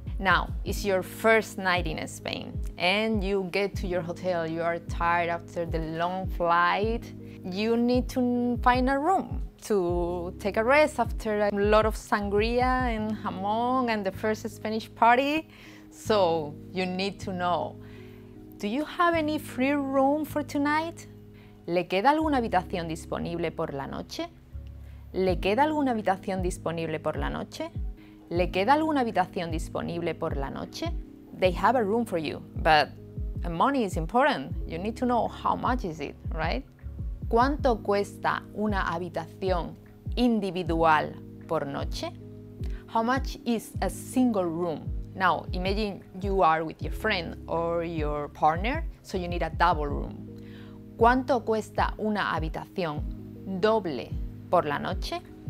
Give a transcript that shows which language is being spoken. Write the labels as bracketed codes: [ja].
[en] Now, it's your first night in Spain and you get to your hotel, you are tired after the long flight. You need to find a room to take a rest after a lot of sangria and jamón and the first Spanish party. So you need to know, do you have any free room for tonight? [es] ¿Le queda alguna habitación disponible por la noche? ¿Le queda alguna habitación disponible por la noche? ¿Le queda alguna habitación disponible por la noche? [en] They have a room for you, but money is important. You need to know how much is it, right? [es] ¿Cuánto cuesta una habitación individual por noche? [en] How much is a single room? Now, imagine you are with your friend or your partner, so you need a double room. [es] ¿Cuánto cuesta una habitación doble por la noche?